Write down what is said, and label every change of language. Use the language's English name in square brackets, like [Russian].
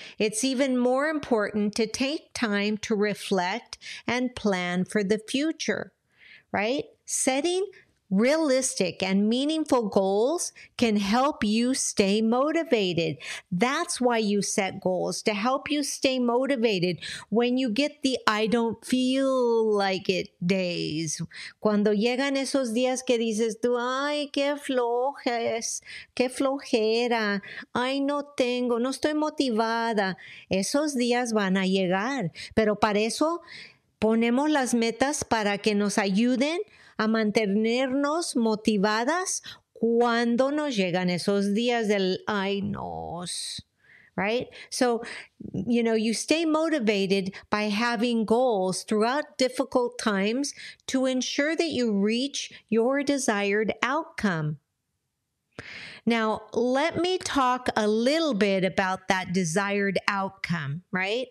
[English] It's even more important to take time to reflect and plan for the future, right? Setting realistic and meaningful goals can help you stay motivated. That's why you set goals, to help you stay motivated when you get the I don't feel like it days. [Spanish] Cuando llegan esos días que dices tú, ay, qué flojera, ay, no estoy motivada. Esos días van a llegar, pero para eso ponemos las metas para que nos ayuden a mantenernos motivadas cuando nos llegan esos días del ay no, right? [English] So, you stay motivated by having goals throughout difficult times to ensure that you reach your desired outcome. Now, let me talk a little bit about that desired outcome, right?